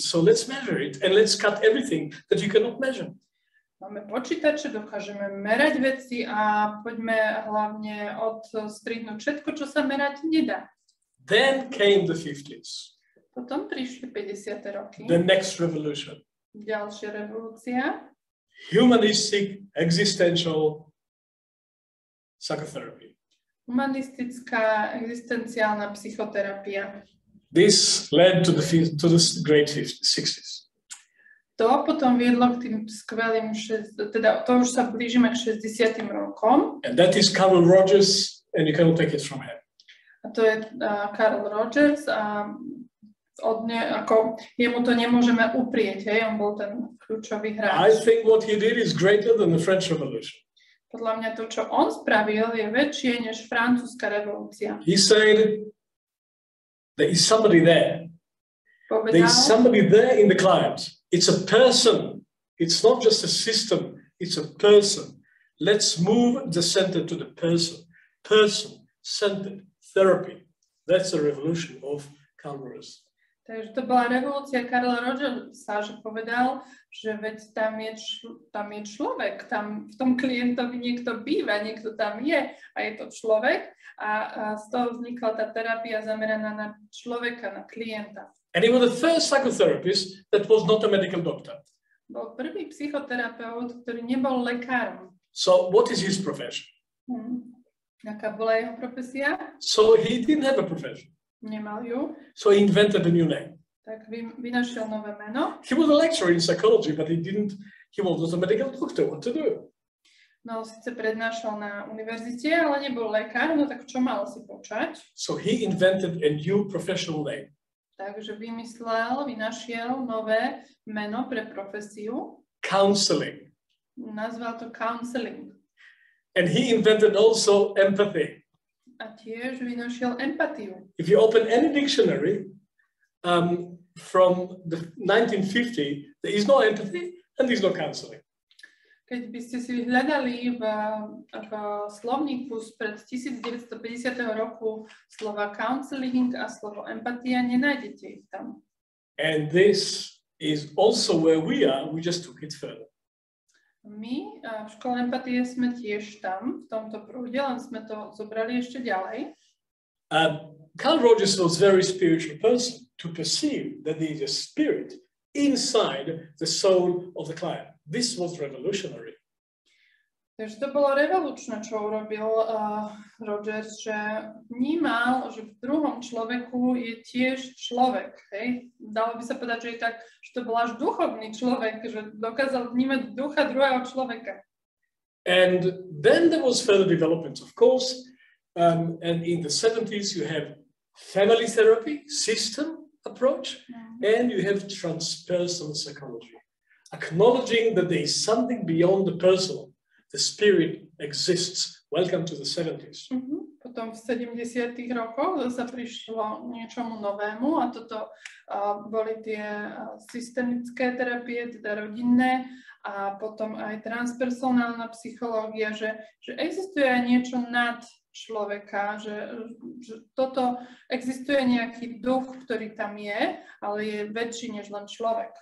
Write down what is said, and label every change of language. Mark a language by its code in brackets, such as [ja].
[en] So let's measure it and let's cut everything that you cannot measure. [sk] Máme počítače, dokážeme merať veci a poďme hlavne odstrihnúť všetko, čo sa merať nedá. [en] Then came the 50s. [sk] Potom prišli 50. roky. [en] The next revolution. [sk] Ďalšia revolúcia. [en] Humanistic existential psychotherapy. [sk] Humanistická existenciálna psychoterapia. [en] This led to the great 60s. [sk] To potom viedlo k tým skvelým, to už sa blížime k 60. rokom. [en] And that is Carl Rogers, and you cannot take it from him. [sk] A to je Carl Rogers a ako jemu to nemôžeme uprieť, hej, on bol ten kľúčový hráč. [en] I think what he did is greater than the French Revolution. [sk] Podľa mňa to, čo on spravil, je väčšie než francúzska revolúcia. [en] He said there is somebody there. [sk] Povedal, [en] there is somebody there in the client. It's a person. It's not just a system. It's a person. Let's move the center to the person. Person centered. Therapy. That's the revolution of Carl Rogers. [sk] Takže to bola revolúcia Carla Rogersa, že povedal, že veď tam je človek, tam v tom klientovi niekto býva, niekto tam je a je to človek. A z toho vznikla tá terapia zameraná na človeka, na klienta. [en] And he was the first psychotherapist that was not a medical doctor. [sk] Bol prvý psychoterapeut, ktorý nebol lekárom. [en] So what is his profession? [sk] Aká bola jeho profesia? [en] So he didn't have a profession. [sk] Nemajú. [en] So he invented a new name. [sk] Tak vynašiel nové meno. [en] He was a lecturer in psychology, but he was a medical doctor, what to do? [sk] No, síce prednášal na univerzite, ale nebol lekár, no tak čo mal si počať? [en] So he invented a new professional name. [sk] Takže vynašiel nové meno pre profesiu. [en] Counseling. [sk] Nazval to counseling. [en] And he invented also empathy. [sk] A tiež vynašiel empatiu. [en] If you open any dictionary from the 1950, there is no empathy and there is no counseling. [sk] Keď by ste si hľadali v slovníku spred 1950. roku slova counseling a slovo empatia, nenájdete ich tam. [en] And this is also where we are, we just took it further. [sk] My v škole empatie sme tiež tam, v tomto prúde, len sme to zobrali ešte ďalej. [en] Carl Rogers was a very spiritual person to perceive that there is a spirit inside the soul of the client. This was revolutionary. [sk] Takže to bolo revolučné, čo urobil Rogers, že vnímal, že v druhom človeku je tiež človek. Hej? Dalo by sa povedať, že je tak, že to bol až duchovný človek, že dokázal vnímať ducha druhého človeka. [en] And then there was further development, of course. And in the 70s you have family therapy, system approach, and you have transpersonal psychology. Acknowledging that there is something beyond the personal. The spirit exists. Welcome to the 70s. [sk] Potom v 70. rokoch zase prišlo niečomu novému a toto boli tie systemické terapie, teda rodinné a potom aj transpersonálna psychológia, že existuje aj niečo nad človeka, že toto existuje nejaký duch, ktorý tam je, ale je väčší než len človek.